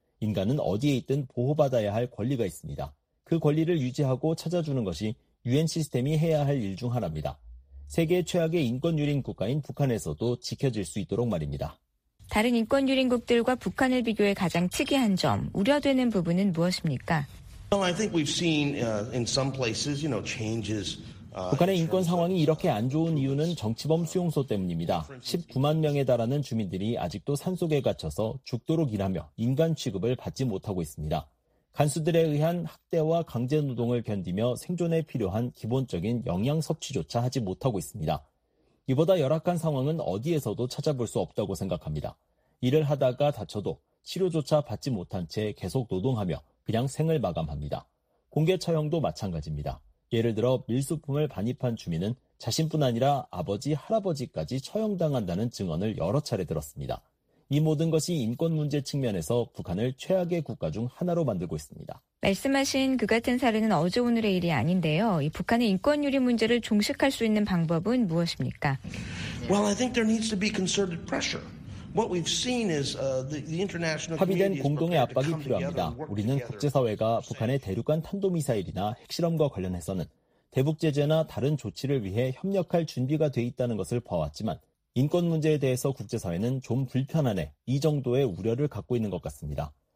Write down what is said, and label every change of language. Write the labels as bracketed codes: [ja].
[ko] 인간은 어디에 있든 보호받아야 할 권리가 있습니다. 그 권리를 유지하고 찾아주는 것이 유엔 시스템이 해야 할 일 중 하나입니다. 세계 최악의 인권 유린 국가인 북한에서도 지켜질 수 있도록 말입니다. 다른 인권 유린국들과 북한을 비교해 가장 특이한 점, 우려되는 부분은 무엇입니까? [en] Well, I think we've seen in some places, you know, changes. [ko] 북한의 인권 상황이 이렇게 안 좋은 이유는 정치범 수용소 때문입니다. 19만 명에 달하는 주민들이 아직도 산속에 갇혀서 죽도록 일하며 인간 취급을 받지 못하고 있습니다. 간수들에 의한 학대와 강제 노동을 견디며 생존에 필요한 기본적인 영양 섭취조차 하지 못하고 있습니다. 이보다 열악한 상황은 어디에서도 찾아볼 수 없다고 생각합니다. 일을 하다가 다쳐도 치료조차 받지 못한 채 계속 노동하며 그냥 생을 마감합니다. 공개 처형도 마찬가지입니다. 예를 들어 밀수품을 반입한 주민은 자신뿐 아니라 아버지, 할아버지까지 처형당한다는 증언을 여러 차례 들었습니다. 이 모든 것이 인권 문제 측면에서 북한을 최악의 국가 중 하나로 만들고 있습니다. 말씀하신 그 같은 사례는 어제 오늘의 일이 아닌데요. 이 북한의 인권 유린 문제를 종식할 수 있는 방법은 무엇입니까? [en] Well, I think there needs to be concerted pressure. What we've seen is the international [ko] 합의된 공동의 압박이 필요합니다. 우리는 국제사회가 북한의 대륙간 탄도미사일이나 핵실험과 관련해서는 대북 제재나 다른 조치를 위해 협력할 준비가 돼 있다는 것을 봐왔지만 인권 문제에 대해서 국제사회는 좀 불편하네 이 정도의 우려를 갖고 있는 것 같습니다.